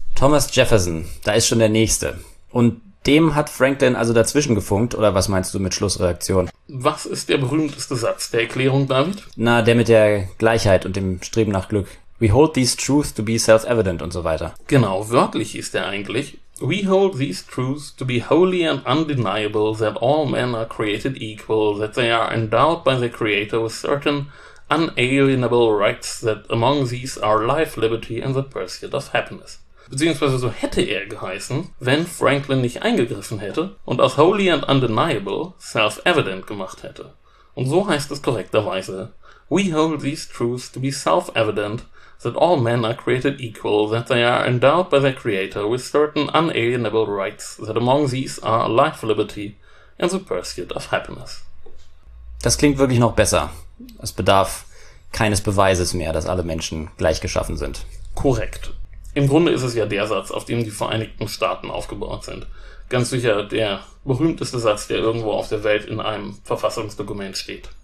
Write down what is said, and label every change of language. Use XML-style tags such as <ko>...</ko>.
<de>Thomas Jefferson, da ist schon der Nächste. Und dem hat Franklin also dazwischen gefunkt, oder was meinst du mit Schlussredaktion? Was ist der berühmteste Satz der Erklärung, David? Na, der mit der Gleichheit und dem Streben nach Glück.</de> <en>We hold these truths to be self-evident</en> <de>und so weiter. Genau, wörtlich hieß der eigentlich.</de> <en>We hold these truths to be holy and undeniable, that all men are created equal, that they are endowed by the Creator with certain unalienable rights, that among these are life, liberty and the pursuit of happiness.</en> <de>Beziehungsweise so hätte er geheißen, wenn Franklin nicht eingegriffen hätte und aus</de> <en>holy and undeniable self-evident</en> <de>gemacht hätte. Und so heißt es korrekterweise.</de> <en>We hold these truths to be self-evident, that all men are created equal, that they are endowed by their creator with certain unalienable rights, that among these are life, liberty and the pursuit of happiness.</en> <de>Das klingt wirklich noch besser. Es bedarf keines Beweises mehr, dass alle Menschen gleich geschaffen sind. Korrekt. Im Grunde ist es ja der Satz, auf dem die Vereinigten Staaten aufgebaut sind. Ganz sicher der berühmteste Satz, der irgendwo auf der Welt in einem Verfassungsdokument steht.</de>